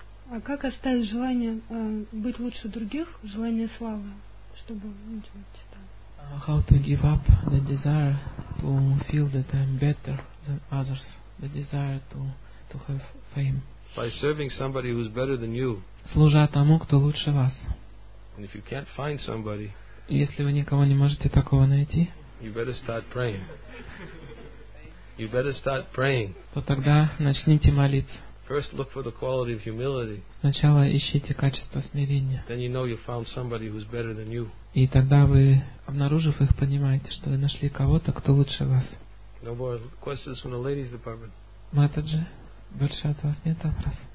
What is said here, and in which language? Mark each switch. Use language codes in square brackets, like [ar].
[ru] А как оставить желание быть лучше других, желание славы, чтобы делать это? [en] How to give up the desire to feel that I'm better than others, the desire to have fame? By serving somebody who's better than you. [ru] Служа тому, кто лучше вас. [en] And if you can't find somebody, [ru] если вы никого не можете такого найти, [en] you better start praying. You better start praying. [ru] То тогда начните молиться. [en] First look for the quality of humility. [ru] Сначала ищите качество смирения. [en] Then you know you found somebody who's better than you. [ru] И тогда вы, обнаружив их, понимаете, что вы нашли кого-то, кто лучше вас. [en] No more questions from the ladies department. [ru] Матаджи, больше от вас нет вопросов.